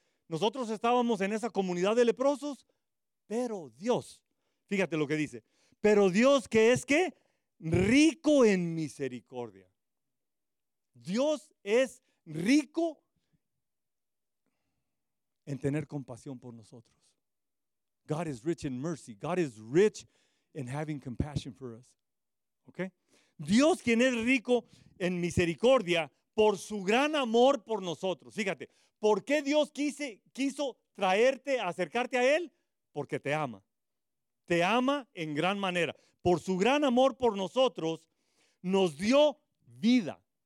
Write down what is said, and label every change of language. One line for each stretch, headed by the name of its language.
Spanish: Nosotros estábamos en esa comunidad de leprosos, pero Dios, fíjate lo que dice, pero Dios que es ¿qué? Rico en misericordia. Dios es rico en tener compasión por nosotros.
English: God is rich in mercy. God is rich in having compassion for us. Okay?
Spanish: Dios, quien es rico en misericordia por su gran amor por nosotros. Fíjate, ¿por qué Dios quiso traerte, acercarte a Él? Porque te ama. Te ama en gran manera. Por su gran amor por nosotros, nos dio vida.